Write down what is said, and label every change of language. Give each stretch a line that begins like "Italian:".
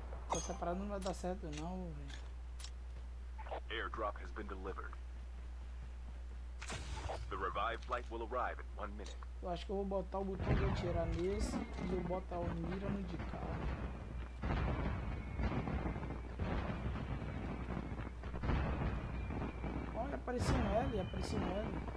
Portuguese: Essa parada não vai dar certo não, velho.
English: Airdrop has been delivered. The revived flight will arrive in 1 minute.
Portuguese: Eu acho que eu vou botar o botão de atirar nesse e eu botar o mira no de cá. Olha, apareceu um L.